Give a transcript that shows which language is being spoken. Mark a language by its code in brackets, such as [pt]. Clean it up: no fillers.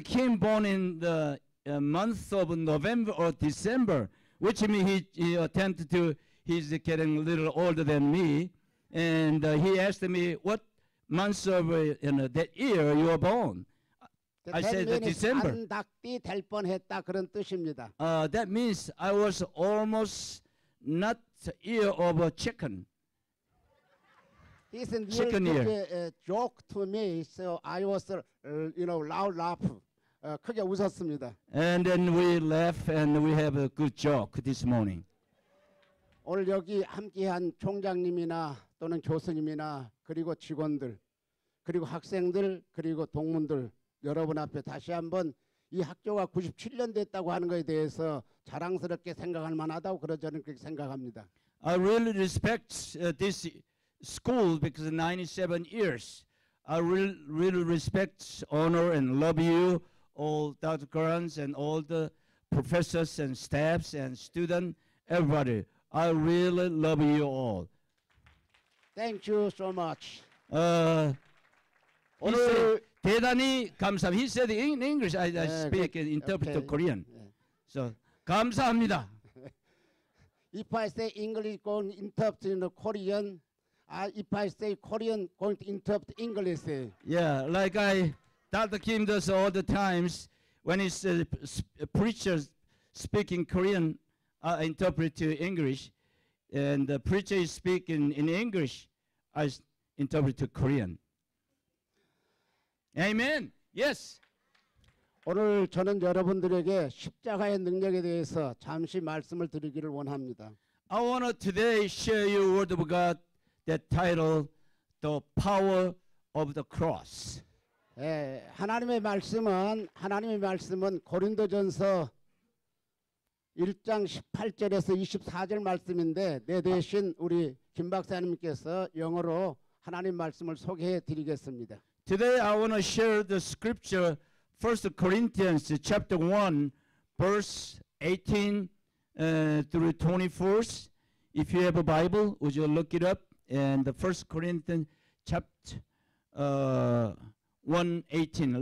[en] Kim born in the month of November or December, which means he attempted to, he's getting a little older than me. And he asked me, what month of that year you were born? I said that December. [ko] 안 닭띠 될 뻔했다 그런 뜻입니다. [en] That means I was almost not year of a chicken. He's a joke to me, so I was, loud laugh, [ko] 크게 웃었습니다. [en] And then we laugh and we have a good joke this morning. [ko] 오늘 여기 함께한 총장님이나 또는 교수님이나 그리고 직원들, 그리고 학생들, 그리고 동문들 여러분 앞에 다시 한번 이 학교가 97년 됐다고 하는 것에 대해서 자랑스럽게 생각할 만하다고 그러저는 그렇게 생각합니다. [en] I really respect this school because 97 years. I really respect, honor, and love you, all Dr. Grants and all the professors and staffs and students, everybody. I really love you all. Thank you so much. He said, [ko] 대단히 감사합니다. [en] He said in English, I speak and interpret okay. Korean. Yeah. So, [ko] 감사합니다. [en] If I say English, going to interpret in Korean, if I say Korean, going to interpret English. Yeah, like Dr. Kim does all the times when he's a preacher speaking Korean, I interpret to English, and the preacher is speaking in English, I interpret to Korean. Amen. Yes. [ko] 오늘 저는 여러분들에게 십자가의 능력에 대해서 잠시 말씀을 드리기를 원합니다. [en] I want to today share you word of God that title, The Power of the Cross. [ko] 예, 하나님의 말씀은 고린도전서 1장 18절에서 24절 말씀인데 내 대신 우리 김 박사님께서 영어로 하나님 말씀을 소개해 드리겠습니다. [en] Today I want to share the scripture 1 Corinthians chapter 1 verse 18 through 24. If you have a Bible, would you look it up? And the 1 Corinthians chapter 1:18.